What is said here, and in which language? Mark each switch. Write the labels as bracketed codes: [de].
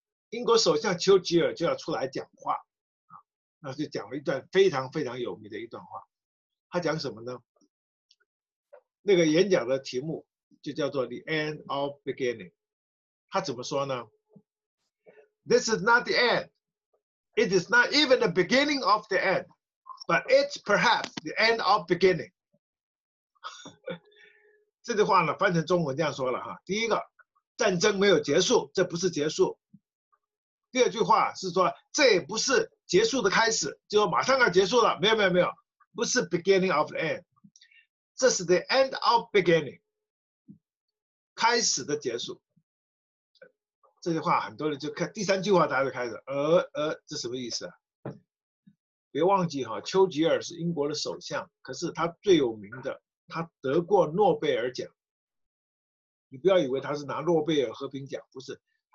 [zh] 英国首相丘吉尔就要出来讲话啊，那就讲了一段非常非常有名的一段话。他讲什么呢？那个演讲的题目就叫做 The End of Beginning。 [en] 他怎么说呢？ This is not the end. It is not even the beginning of the end, but it's perhaps the end of beginning. [zh] 这句话呢，翻成中文这样说了哈。第一个，战争没有结束，这不是结束。第二句话是说，这也不是结束的开始，就马上要结束了。没有没有没有，不是 beginning of the end. 这是 the end of beginning, 开始的结束。这句话很多人就看第三句话，大家就开始这什么意思啊？别忘记哈，丘吉尔是英国的首相，可是他最有名的，他得过诺贝尔奖。你不要以为他是拿诺贝尔和平奖，不是，他